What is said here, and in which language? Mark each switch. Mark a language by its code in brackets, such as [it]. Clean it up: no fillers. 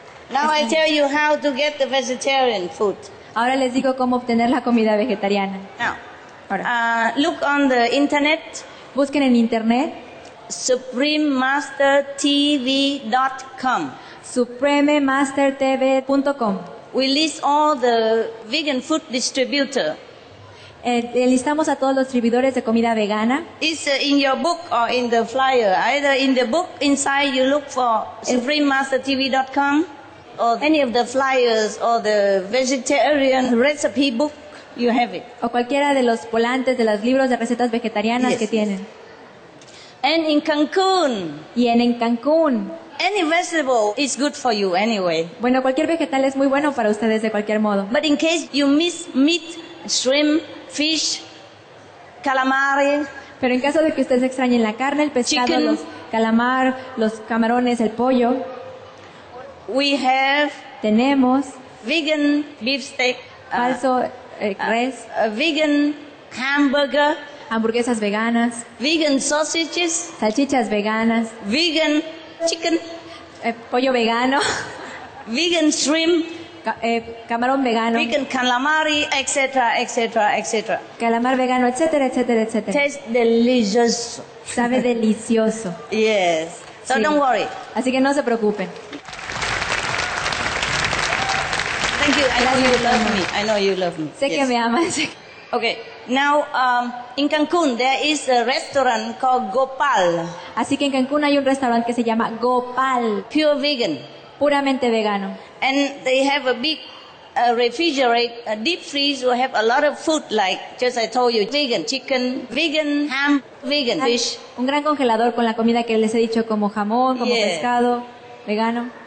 [en] Now I tell you how to get the vegetarian food. [es] Ahora les digo cómo obtener la comida vegetariana. [en] Now, look on the internet. [es] Busquen en internet. [en] SupremeMasterTV.com. [es] SupremeMasterTV.com. [en] We list all the vegan food distributor. [es] Listamos a todos los distribuidores de comida vegana. [en] It's in your book or in the flyer. Either in the book inside you look for SupremeMasterTV.com. Or any of the flyers or the vegetarian recipe book, you have it. [es] O cualquiera de los volantes de los libros de recetas vegetarianas [en] yes, [es] que [en] yes. [es] tienen. [en] And in Cancun. [es] Y en Cancun. [en] Any vegetable is good for you anyway. [es] Bueno, cualquier vegetal es muy bueno para ustedes de cualquier modo. [en] But in case you miss meat, shrimp, fish, calamari. [es] Pero en caso de que ustedes extrañen la carne, el pescado, [en] chicken, [es] los calamar, los camarones, el pollo. [en] We have [es] tenemos [en] vegan beefsteak, [es] falso res, [en] vegan hamburger, [es] hamburguesas veganas, [en] vegan sausages, [es] salchichas veganas, [en] vegan chicken, [es] pollo vegano, [en] vegan shrimp, [es] camarón vegano, [en] vegan calamari, etc., etc., etc. [es] Calamar vegano, etc., etc., etc. [en] Tastes delicious. [es] Sabe delicioso. [en] Yes. So [es] sí. [en] Don't worry. [es] Así que no se preocupen. [en] Thank you. I know you love me. I know you love me. [es] Sé que me amas. [en] Okay. Now, in Cancun, there is a restaurant called Gopal. [es] Así que en Cancún hay un restaurante que se llama Gopal. [en] Pure vegan. [es] Puramente vegano. [en] And they have a big refrigerator, a deep freeze will have a lot of food like, just I told you, vegan chicken, vegan ham, vegan fish. [es] Un gran congelador con la comida que les he dicho, como jamón, como pescado, vegano.